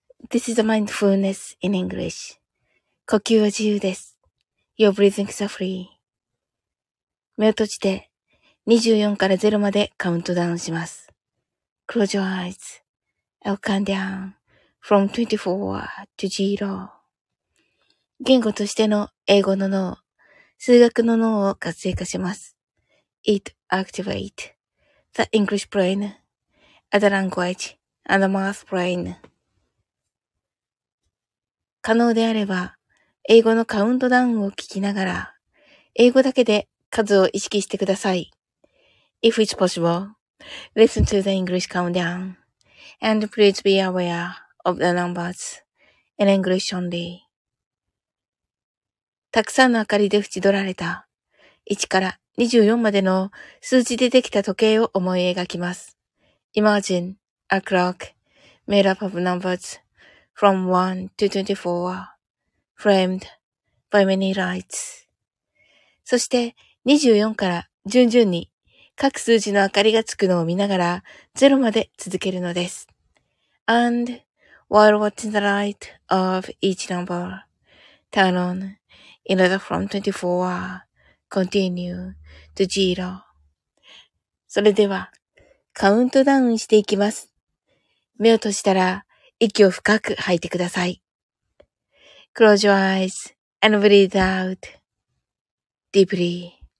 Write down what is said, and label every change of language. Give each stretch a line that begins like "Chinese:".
English: This is a mindfulness in English.
Japanese: 呼吸は自由です。
English: You're breathing softly.
Japanese: 目を閉じて24から0までカウントダウンします。
English: Close your eyes. I'll count down. From 24 to 0.
Japanese: 言語としての英語の脳、数学の脳を活性化します。
English: It activates the English brain, other language, and the math brain.
Japanese: 可能であれば、英語のカウントダウンを聞きながら、英語だけで数を意識してください。
English: If it's possible, listen to the English countdown. And please be aware. Of the numbers in English only.
Japanese: たくさんの明かりで縁取られた1から24までの数字でできた時計を思い描きます。
English: Imagine a clock made up of numbers from 1 to 24 framed by many lights.
Japanese: そして24から順々に各数字の明かりがつくのを見ながら0まで続けるのです。
English: AndWhile watching the light of each number, turn on in order from 24, continue to zero.
Japanese: それでは、カウントダウンしていきます。目を閉じたら、息を深く吐いてください。
English: Close your eyes and breathe out deeply.